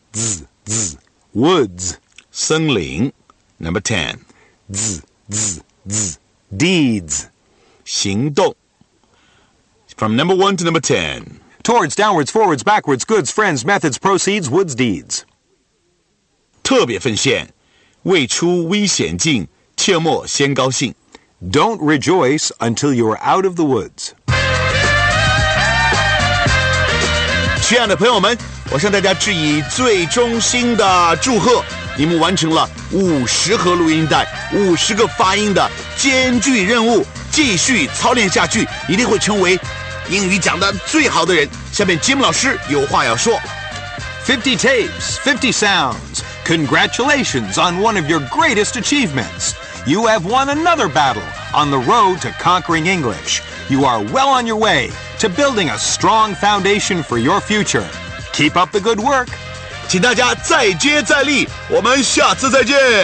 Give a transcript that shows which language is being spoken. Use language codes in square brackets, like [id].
[en] z z woods. [zh] 森林 [en] Number 10. Z z z deeds. [zh] 行动 [en] From number 1 to number 10. Towards, downwards, forwards, backwards, goods, friends, methods, proceeds, woods, deeds. [zh] 特别奉献未出危险境切莫先高兴 [en] Don't rejoice until you are out of the woods. [zh] 亲爱的朋友们我向大家致以最衷心的祝贺你们完成了50盒录音带50个发音的艰巨任务继续操练下去一定会成为英语讲的最好的人下面 Jim 老师有话要说 [en] 50 tapes 50 sounds Congratulations on one of your greatest achievements You have won another battle on the road to conquering English You are well on your way to building a strong foundation for your future Keep up the good work [zh] 请大家再接再厉，我们下次再见，